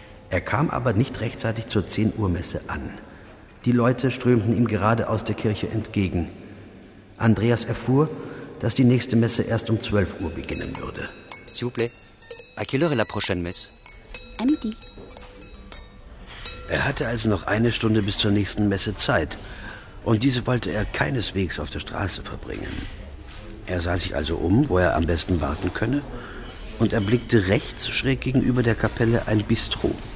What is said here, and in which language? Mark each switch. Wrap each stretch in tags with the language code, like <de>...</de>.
<de>Er kam aber nicht rechtzeitig zur 10 Uhr Messe an. Die Leute strömten ihm gerade aus der Kirche entgegen. Andreas erfuhr, dass die nächste Messe erst um 12 Uhr beginnen würde.</de> <fr>S'il vous plaît, à quelle heure est la prochaine Messe? À midi.</fr> <de>Er hatte also noch eine Stunde bis zur nächsten Messe Zeit. Und diese wollte er keineswegs auf der Straße verbringen. Er sah sich also um, wo er am besten warten könne. Und er blickte rechts schräg gegenüber der Kapelle ein Bistro.</de>